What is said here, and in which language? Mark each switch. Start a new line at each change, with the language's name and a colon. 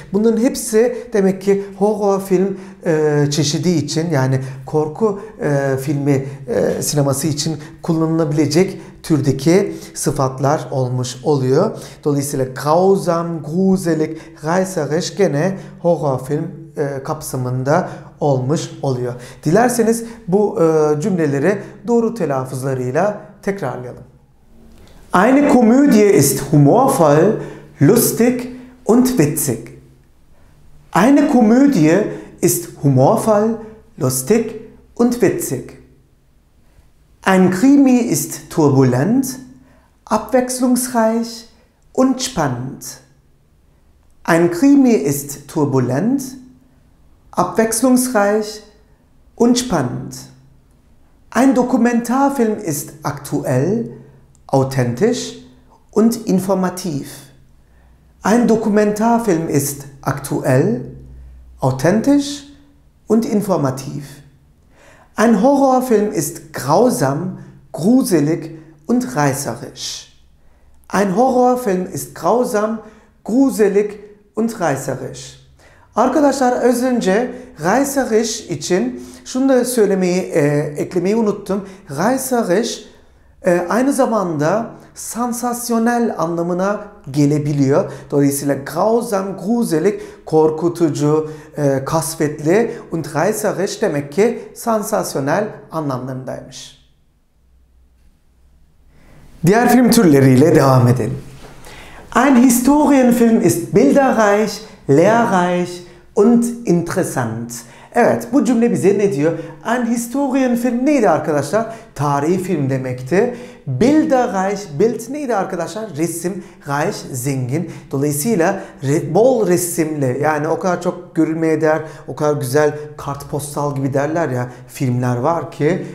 Turkish: Bunların hepsi demek ki horror film çeşidi için, yani korku filmi sineması için kullanılabilecek türdeki sıfatlar olmuş oluyor. Dolayısıyla grausam, gruselig, reißerisch gene horror film kapsamında olmuş oluyor. Dilerseniz bu cümleleri doğru telaffuzlarıyla tekrarlayalım.
German: Eine Komödie ist humorvoll, lustig und witzig. Eine Komödie ist humorvoll, lustig und witzig. Ein Krimi ist turbulent, abwechslungsreich und spannend. Ein Krimi ist turbulent, abwechslungsreich und spannend. Ein Dokumentarfilm ist aktuell, authentisch und informativ. Ein Dokumentarfilm ist aktuell, authentisch und informativ. Ein Horrorfilm ist grausam, gruselig und reißerisch. Ein Horrorfilm ist grausam, gruselig und reißerisch.
Turkish: Arkadaşlar az önce reißerisch için şunu da söylemeyi eklemeyi unuttum. Reißerisch aynı zamanda sansasyonel anlamına gelebiliyor. Dolayısıyla grausam, gruselig, korkutucu, kasvetli und reißerisch demek ki sansasyonel anlamlarındaymış. Diğer film türleriyle devam edelim.
German: Ein Historienfilm ist bilderreich, lehrreich und interessant.
Turkish: Evet, bu cümle bize ne diyor? An historian film neydi arkadaşlar? Tarihi film demekti. Bilder reich, Bild neydi arkadaşlar? Resim, reich, zengin. Dolayısıyla bol resimli, yani o kadar çok görülmeye değer, o kadar güzel kartpostal gibi derler ya filmler var ki.